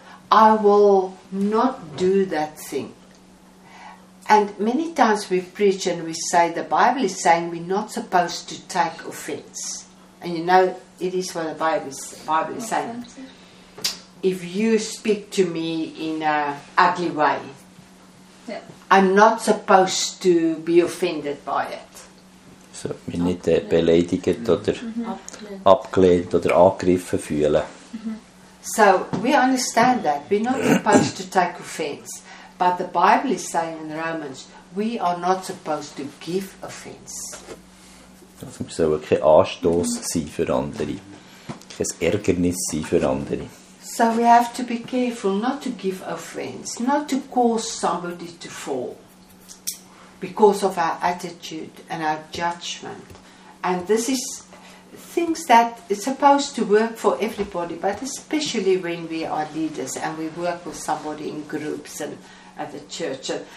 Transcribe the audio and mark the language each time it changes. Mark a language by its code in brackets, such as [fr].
[en] I will not do that thing. And many times we preach and we say, the Bible is saying we're not supposed to take offense. And you know, it is what the Bible is saying. If you speak to me in an ugly way, yeah, I'm not supposed to be offended by it. [de] So, mich nicht beleidigt oder abgelehnt oder angegriffen fühlen. [en] So, we understand that. We're not supposed to take offense. But the Bible is saying in Romans, we are not supposed to give offense. [de] Also, wir sollen kein Anstoß sein für andere. Kein Ärgernis sein für andere. [en] So we have to be careful not to give offense, not to cause somebody to fall because of our attitude and our judgment. And this is things that is supposed to work for everybody, but especially when we are leaders and we work with somebody in groups and at the church.